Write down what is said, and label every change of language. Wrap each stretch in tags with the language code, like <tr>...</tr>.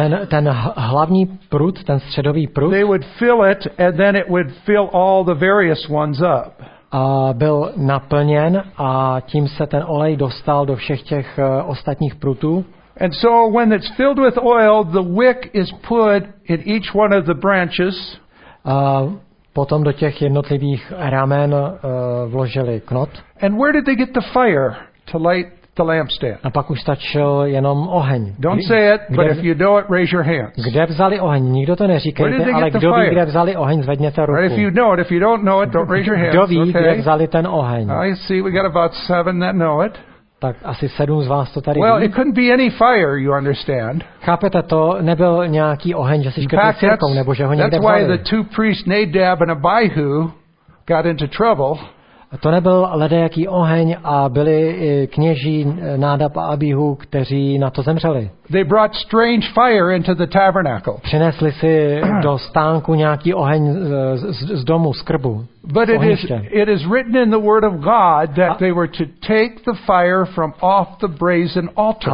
<cs>ten hlavní prut, ten středový prut,</cs> <en>they would fill it and then it would fill all the various ones up.</en> <cs>Byl naplněn a tím se ten olej dostal do všech těch ostatních prutů.</cs> <en>And so when it's filled with oil, the wick is put in each one of the branches.</en> <cs>Potom do těch jednotlivých ramen vložili knot.</cs> <en>And where did they get the fire to light the lampstand?</en> <cs>A pak už stačil jenom oheň.</cs> <en>Don't say it, but if you know it, raise your hands.</en> <cs>Kde vzali oheň? Nikdo to neříkejte, ale kdo ví, kde vzali oheň, zvedněte ruku.</cs> <en>Right, if you know it, if you don't know it, don't raise your hands.</en> <cs>Kdo ví,</cs> <en>okay?</en> <cs>Kde vzali ten oheň?</cs> <en>I see we got about 7 that know it.</en> <cs>Tak asi 7 z vás to tady ví.</cs> <en>Well, it couldn't be any fire, you understand.</en> <cs>Chápete to? Nebyl nějaký oheň, že si škrtl sirkou, nebo že ho někde vzali.</cs> <en>That's why the two priests, Nadab and Abihu, got into trouble.</en> <cs>To nebyl ledajaký oheň a byli kněží Nádab a Abihu, kteří na to zemřeli.</cs> <en>They brought strange fire into the tabernacle.</en> <cs>Přinesli si do stánku nějaký oheň z domu, z krbu.</cs> <en>But it is written in the word of God that they were to take the fire from off the brazen altar.</en>